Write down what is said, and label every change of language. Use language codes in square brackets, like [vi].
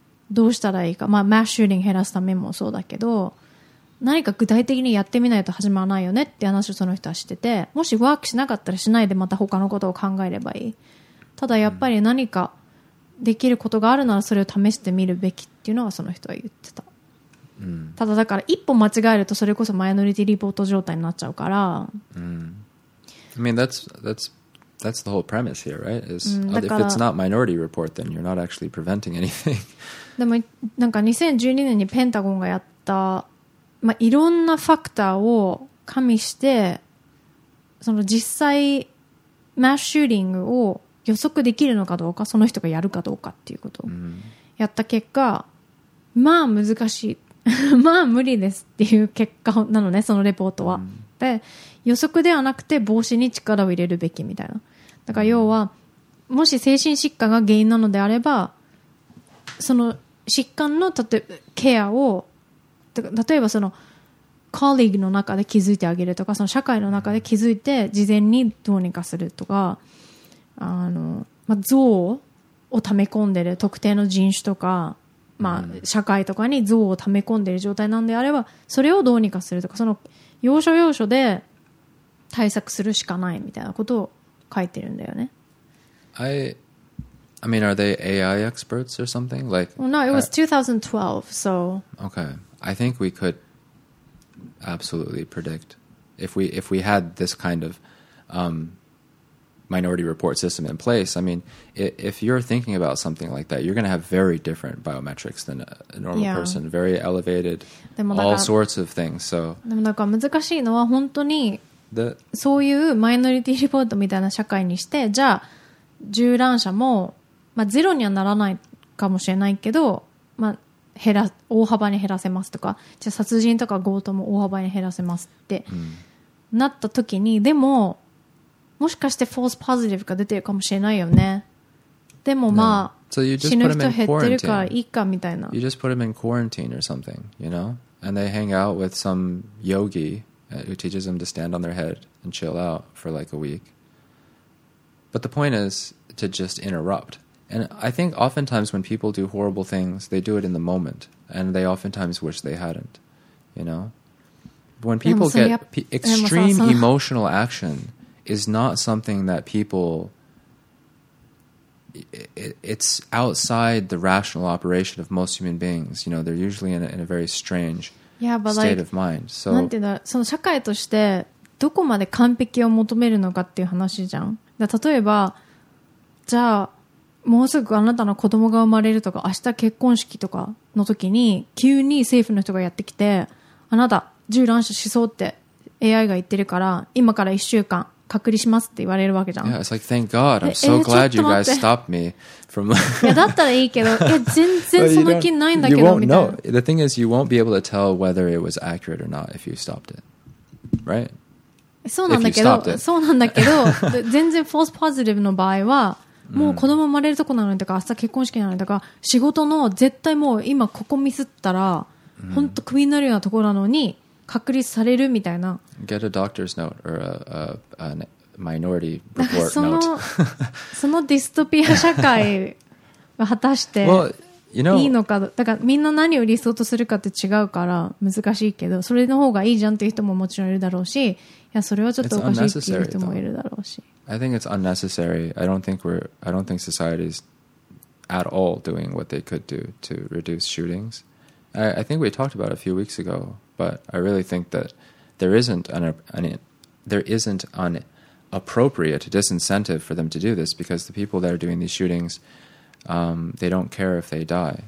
[ja] どうしたらいいか、まあ、マッシューリング減らすためもそうだけど、何か具体的にやってみないと始まらないよねって話をその人はしてて、もしワークしなかったらしないで、また他のことを考えればいい、ただやっぱり何かできることがあるならそれを試してみるべきっていうのはその人は言ってた、ただだから一歩間違えるとそれこそマイノリティリポート状態になっちゃうから、 [en] I mean that's the whole premise here, right? Is, if it's not minority report, then you're not actually preventing anything. [ja] でもなんか2012年にペンタゴンがやった、まあ、いろんなファクターを加味して、その実際マッシューリングを予測できるのかどうか、その人がやるかどうかっていうことをやった結果、まあ難しい、まあ無理ですっていう結果なのね、そのレポートは。で、予測ではなくて防止に力を入れるべきみたいな。だから要は、もし精神疾患が原因なのであれば、その疾患の例えばケアを、例えばそのコリーグの中で気づいてあげるとか、その社会の中で気づいて事前にどうにかするとか、まあ、憎悪を溜め込んでる特定の人種とか、まあ、社会とかに憎悪を溜め込んでる状態なんであれば、それをどうにかするとか、その要所要所で対策するしかないみたいなことを書いてるんだよね。 [en] I mean, are they AI experts or something? Like, well, no, it was 2012, so okay, I think we could absolutely predict if we had this kind of minority report system in place. I mean, if you're thinking about something like that, you're going to have very different biometrics than a normal person, very elevated, all sorts of things. So, [ja] でもなんか難しいのは本当に、そういうマイノリティリポートみたいな社会にして、じゃあ、銃乱射も、まあゼロにはならないかもしれないけど、まあ大幅に減らせますとか、じゃあ殺人とか強盗も大幅に減らせますってなった時に、でももしかしてフォースポジティブが出てるかもしれないよね。でもまあ、 [en] no. so、 [ja] 死ぬ人減ってるからいいかみたいな。 [en] You just put them in quarantine or something, you know? And they hang out with some yogi who teaches them to stand on their head and chill out for like a week. But the point is to just interrupt. And I think oftentimes when people do horrible things, they do it in the moment, and they oftentimes wish they hadn't, you know? When people get extreme emotional action is not something that people, it's outside the rational operation of most human beings, you know, they're usually in a very strange state of mind. So, [ja] なんていうんだ、その社会としてどこまで完璧を求めるのかっていう話じゃん。だ、例えば、じゃあ、もうすぐあなたの子供が生まれるとか明日結婚式とかの時に急に政府の人がやってきて、あなた銃乱射しそうって AI が言ってるから今から1週間隔離しますって言われるわけじゃん。 [en] Yeah, it's like, thank God, I'm so glad you guys stopped me from... [ja] いやだったらいいけど、いや全然その気ないんだけどみたいな。 [en] You won't know. The thing is, you won't be able to tell whether it was accurate or not if you stopped it, right? [ja] そうなんだけど、そうなんだけど全然 false positive の場合はもう子供生まれるとこなのにとか、明日結婚式なのにとか、仕事の絶対もう今ここミスったら、本当クビになるようなところなのに、隔離されるみたいな。 [en] Get a doctor's note or a minority report note. [ja] そのディストピア社会は果たしていいのか、だからみんな何を理想とするかって違うから難しいけど、それの方がいいじゃんっていう人ももちろんいるだろうし、いや、それはちょっとおかしいっていう人もいるだろうし。 [en] I think it's unnecessary. I don't think society is at all doing what they could do to reduce shootings. I think we talked about it a few weeks ago, but I really think that there isn't an appropriate disincentive for them to do this, because the people that are doing these shootings, they don't care if they die.